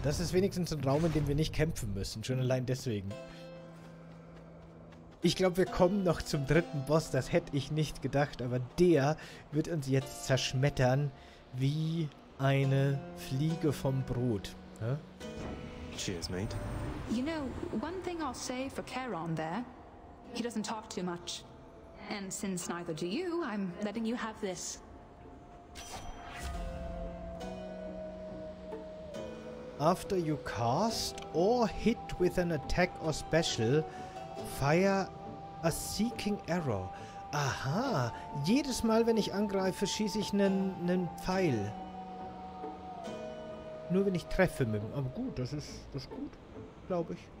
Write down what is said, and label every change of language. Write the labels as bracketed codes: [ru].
[de] Das ist wenigstens ein Raum, in dem wir nicht kämpfen müssen. Schon allein deswegen. Ich glaube, wir kommen noch zum dritten Boss. Das hätte ich nicht gedacht. Aber der wird uns jetzt zerschmettern wie eine Fliege vom Brot. Ja? [en] Cheers, mate. You know, one thing I'll say for Charon there. He doesn't talk too much. And since neither do you, I'm letting you have this. After you cast or hit with an attack or special, fire a seeking arrow. [de] Aha, jedes Mal, wenn ich angreife, schieße ich einen Pfeil. Nur wenn ich treffe mit dem. Aber gut, das ist gut, glaube ich.